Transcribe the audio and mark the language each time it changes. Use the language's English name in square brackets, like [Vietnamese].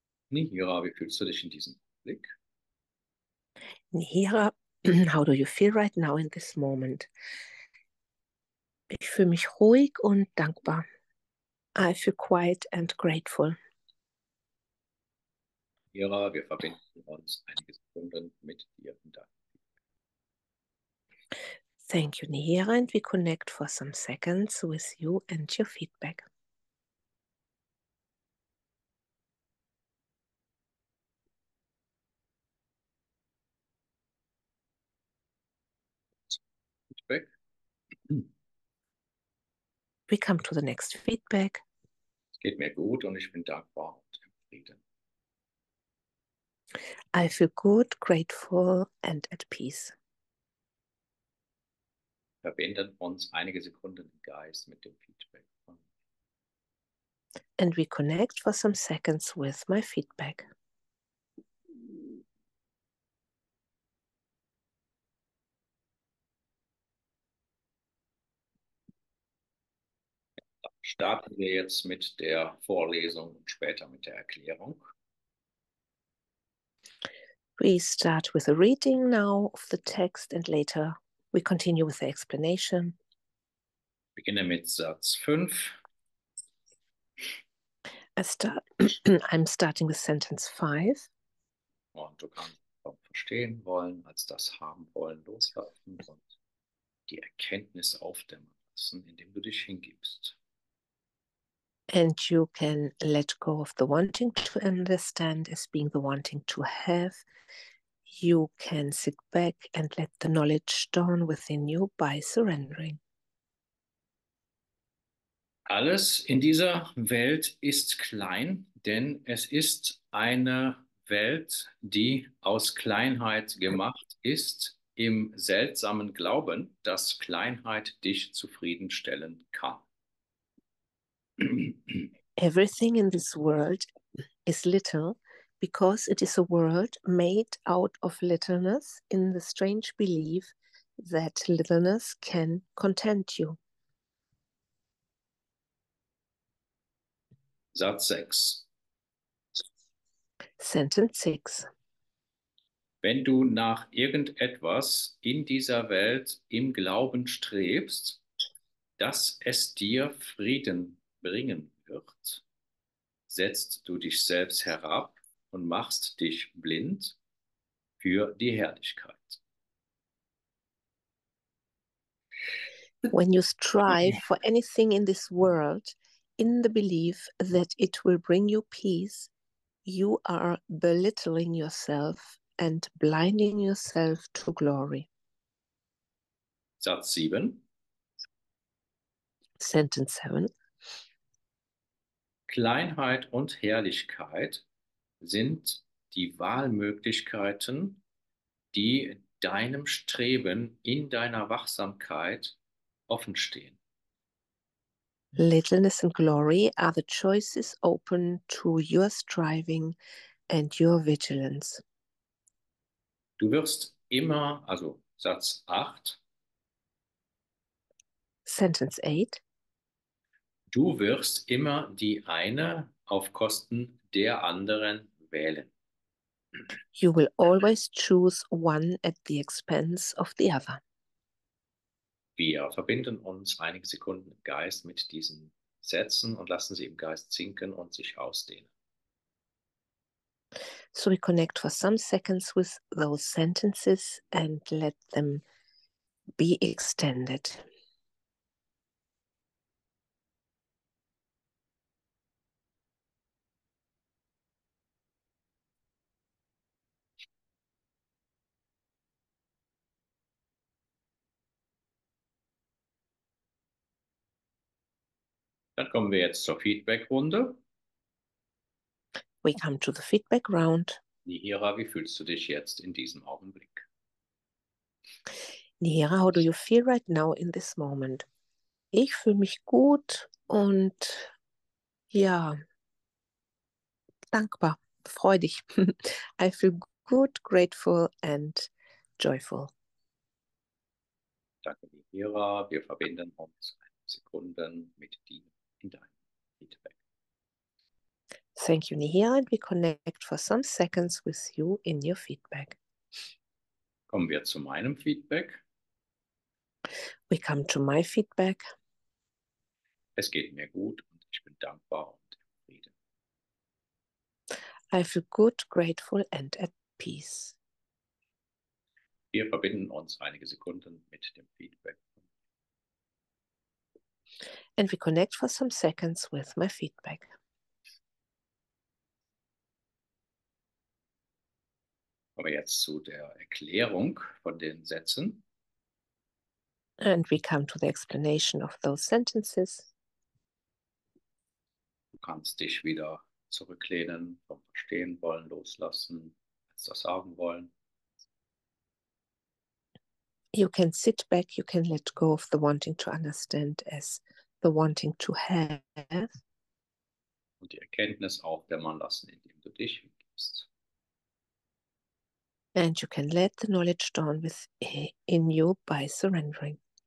[German] Nihira, wie fühlst du dich in diesem Blick? [English] Nihira, how do you feel right now in this moment? [German] Ich fühle mich ruhig und dankbar. [English] I feel quiet and grateful. [German] Nihira, wir verbinden uns einige Sekunden mit dir und deinem. [English] Thank you, Nihira, and we connect for some seconds with you and your feedback. We come to the next feedback. [German] Es geht mir gut und ich bin dankbar und im Frieden. [English] I feel good, grateful and at peace. [German] Verbinden uns einige Sekunden im Geist mit dem Feedback. [English] And we connect for some seconds with my feedback. [German] Starten wir jetzt mit der Vorlesung und später mit der Erklärung. [English] We start with a reading now of the text and later we continue with the explanation. [German] Ich beginne mit Satz 5. [English] I'm starting with sentence 5. [German] Und du kannst auch verstehen wollen, als das haben wollen loslassen und die Erkenntnis aufdämmen lassen, indem du dich hingibst. [English] And you can let go of the wanting to understand as being the wanting to have. You can sit back and let the knowledge dawn within you by surrendering. [German] Alles in dieser Welt ist klein, denn es ist eine Welt, die aus Kleinheit gemacht ist, im seltsamen Glauben, dass Kleinheit dich zufriedenstellen kann. [English] Everything in this world is little because it is a world made out of littleness in the strange belief that littleness can content you. [German] Satz 6. [English] Sentence 6. [German] Wenn du nach irgendetwas in dieser Welt im Glauben strebst, dass es dir Frieden bringen wird, setzt du dich selbst herab und machst dich blind für die Herrlichkeit. [English] When you strive for anything in this world in the belief that it will bring you peace, you are belittling yourself and blinding yourself to glory. [German] Satz 7. [English] Sentence 7. [German] Kleinheit und Herrlichkeit sind die Wahlmöglichkeiten, die deinem Streben in deiner Wachsamkeit offenstehen. [English] Littleness and glory are the choices open to your striving and your vigilance. [German] Du wirst immer, also Satz 8. [English] Sentence 8. [German] Du wirst immer die eine auf Kosten der anderen wählen. [English] You will always choose one at the expense of the other. [German] Wir verbinden uns einige Sekunden im Geist mit diesen Sätzen und lassen sie im Geist sinken und sich ausdehnen. [English] So we connect for some seconds with those sentences and let them be extended. [German] Dann kommen wir jetzt zur Feedback-Runde. [English] We come to the feedback round. [German] Nihira, wie fühlst du dich jetzt in diesem Augenblick? [English] Nihira, how do you feel right now in this moment? [German] Ich fühle mich gut und ja, dankbar, freudig. [English] I feel good, grateful and joyful. [German] Danke, Nihira. Wir verbinden uns Sekunden mit dir. [English] Thank you, Nihira, and we connect for some seconds with you in your feedback. [German] Kommen wir zu meinem Feedback. [English] We come to my feedback. [German] Es geht mir gut und ich bin dankbar und im Frieden. [English] I feel good, grateful and at peace. [German] Wir verbinden uns einige Sekunden mit dem Feedback. [English] And we connect for some seconds with my feedback. [German] Aber jetzt zu der Erklärung von den Sätzen. [English] And we come to the explanation of those sentences. [German] Du kannst dich wieder zurücklehnen, vom Verstehen wollen, loslassen, etwas sagen wollen. [English] You can sit back, you can let go of the wanting to understand as the wanting to have. [German] Und die Erkenntnis auch dämmern lassen, indem du dich hingibst. [English] And you can let the knowledge dawn in you by surrendering.